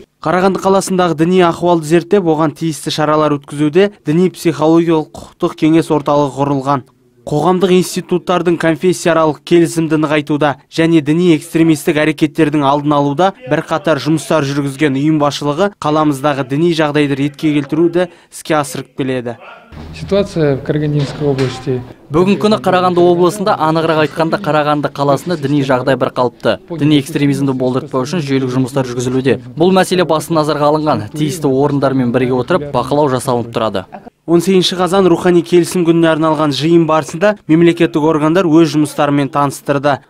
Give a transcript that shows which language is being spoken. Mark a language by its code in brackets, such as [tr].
[kk] Қарағанды қаласындағы діни ахуалды зерттеп, оған тиісті шаралар өткізуде діни психологиялық құқықтық кеңес орталығы құрылған. Қоғамдық институттардың конфессияаралық келісімді нығайтуда және діни экстремистік әрекеттердің алдын алуда бірқатар жұмыстар жүргізген ұйым басшылығы қаламыздағы діни жағдайды ретке келтіруді іске асырып келеді. [ru] Ситуация в Карагандинской области. [kk] Бүгін күні Қарағанды облысында, анығырақ айтқанда Қарағанды қаласында діни жағдай бірқалыпты. Діни экстремизмді болдыртпау үшін жүйелік жұмыстар жүргізілуде. Бұл мәселе басты назарға алынған, тиісті орындармен бірге отырып, бақылау жасалынып тұрады. 18 қазан рухани келісім күніне арналған жиын барысында мемлекеттік органдар өз жұмыстарымен таныстырды.